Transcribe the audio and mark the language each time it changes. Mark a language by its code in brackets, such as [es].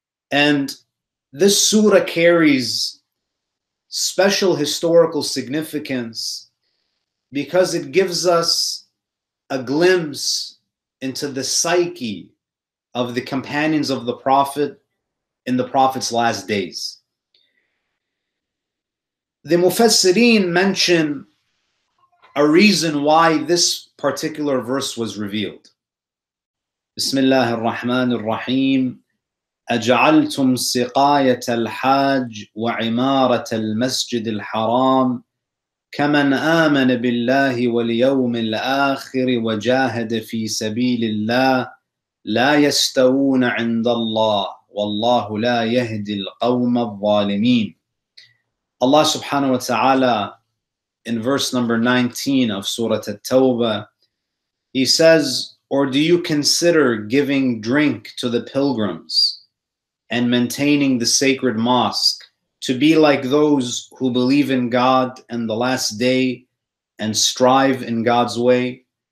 [en] And this surah carries special historical significance because it gives us a glimpse into the psyche of the companions of the Prophet in the Prophet's last days. The Mufassirin mention a reason why this particular verse was revealed. [ar] Bismillah ar-Rahman ar-Rahim. أجعلتم سقاية الحاج وعمارة المسجد الحرام كمن آمن بالله واليوم الآخر وجاهد في سبيل الله لا يستوون عند الله والله لا يهدي القوم الظالمين. [en] Allah subhanahu wa ta'ala, in verse number 19 of Surah At-Tawbah, he says, or do you consider giving drink to the pilgrims and maintaining the sacred mosque to be like those who believe in God and the last day and strive in God's way?